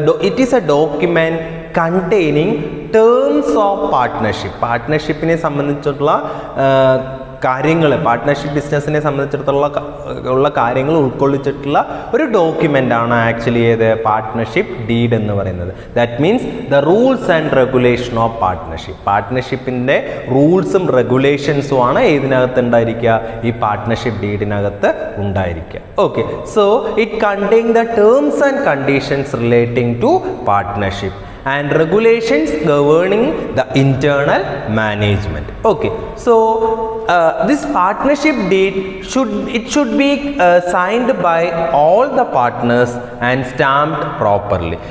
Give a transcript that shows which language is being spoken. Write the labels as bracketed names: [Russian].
[English] It is a document containing terms of partnership. [Malayalam] Partnership ne sambandhichulla കാര്യങ്ങള്, partnership ബിസിനസ്സിനെ സംബന്ധിച്ചിടത്തോളം ഉള്ള കാര്യങ്ങൾ ഉൾക്കൊള്ളിച്ചിട്ടുള്ള ഒരു ഡോക്യുമെൻ്റ് ആണ് ആക്ച്വലി ഏത്, പാർട്ട്നർഷിപ്പ് ഡീഡ് എന്ന് പറയുന്നത്. [English] That means the rules and regulation of partnership. [Malayalam] പാർട്ട്നർഷിപ്പിൻ്റെ റൂൾസും റെഗുലേഷൻസും ആണ് ഇതിനകത്ത് ഉണ്ടായിരിക്കുക, ഈ പാർട്ട്നർഷിപ്പ് ഡീഡിനകത്ത് ഉണ്ടായിരിക്കുക. Okay. [English] So it contain the terms and conditions relating to partnership and regulations governing the internal management. Okay. So this partnership deed should be signed by all the partners and stamped properly.